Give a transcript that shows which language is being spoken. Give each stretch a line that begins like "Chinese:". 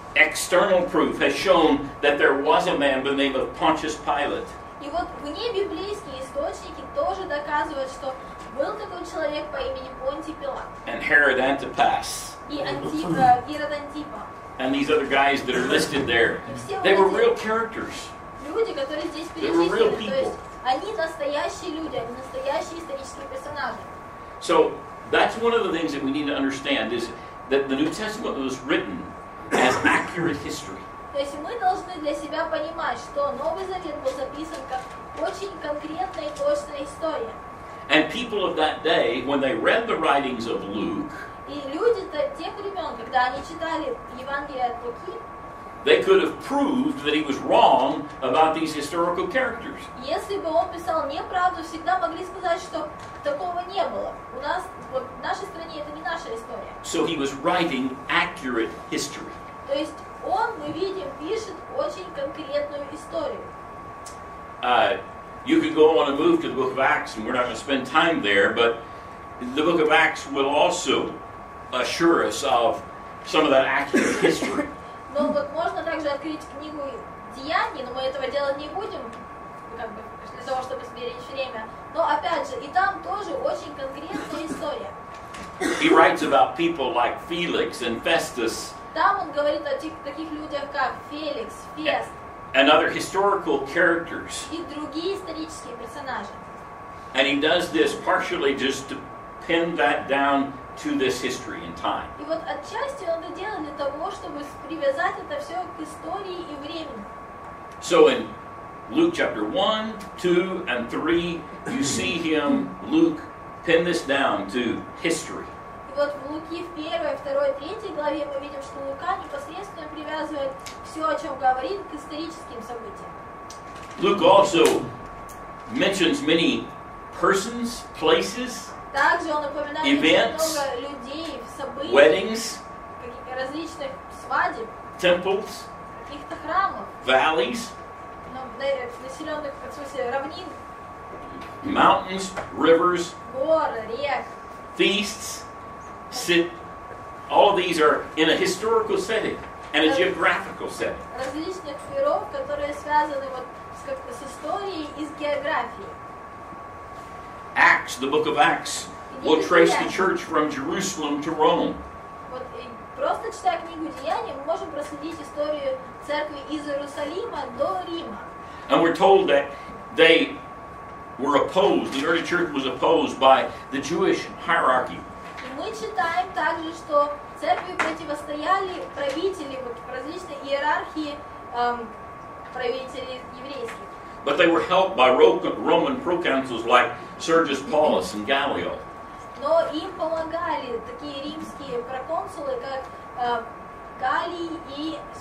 English: External proof has shown that there was a man by the name of Pontius Pilate.
Russian: И вот вне библейские источники тоже доказывают, что был такой человек по имени Понтий Пилат.
English: And Herod Antipas.
Russian: И Антипа, Герод Антипа.
English: And these other guys that are listed there. They were real characters.
Russian: Люди, которые здесь перечислены, то есть они настоящие люди, они настоящие исторические персонажи.
English: So that's one of the things that we need to understand is that the New Testament was written as accurate history.
Russian: То есть мы должны для себя понимать, что Новый Завет был записан как очень конкретная и точная история.
English: And people of that day, when they read the writings of Luke,
Russian: и люди тех времен, когда они читали Евангелие от Луки,
English: they could have proved that he was wrong about these historical characters.
Russian: Если бы он писал неправду, всегда могли сказать, что такого не было. У нас, вот, в нашей стране это не наша история.
English: So he was writing accurate history.
Russian: То есть он, мы видим, пишет очень конкретную историю.
English: You could go on and move to the book of Acts, and we're not going to spend time there, but the book of Acts will also assure us of some of that accurate history.
Russian: Но вот можно также открыть книгу Деяний, но мы этого делать не будем, как бы, для того, чтобы сберечь время. Но опять же, и там тоже очень конкретная история.
English: He writes about people like Felix and Festus.
Russian: Там он говорит о таких людях, как Феликс, Фест.
English: And other historical characters.
Russian: И другие исторические персонажи.
English: And he does this partially just to pin that down to this history and time.
Russian: И вот отчасти он это делает для того, чтобы привязать это все к истории и времени.
English: So in Luke chapter 1, 2, and 3, you see him, Luke, pin this down to history.
Russian: И вот в Луки в 1, 2, 3 главе мы видим, что Лука непосредственно привязывает все, о чем говорит, к историческим событиям.
English: Luke also mentions many persons, places,
Russian: также он упоминает
English: events,
Russian: много людей, событий,
English: weddings,
Russian: различных свадеб,
English: temples,
Russian: каких-то храмов,
English: valleys,
Russian: населенных, в смысле, равнин,
English: mountains, rivers,
Russian: гор, рек,
English: feasts, all of these are in a historical setting and a geographical setting.
Russian: Различных веров, которые связаны вот с историей и с географией.
English: Acts, the book of Acts, will trace the church from Jerusalem to Rome.
Russian: Вот просто читая книгу Деяний, мы можем проследить историю церкви из Иерусалима до Рима.
English: And we're told that they were opposed, the early church was opposed by the Jewish hierarchy.
Russian: И мы читаем также, что церкви противостояли правители, вот в различной иерархии правителей еврейских.
English: But they were helped by Roman proconsuls like Sergius Paulus and Gallio.
Russian: Но им помогали такие римские проконсулы, как Галлий и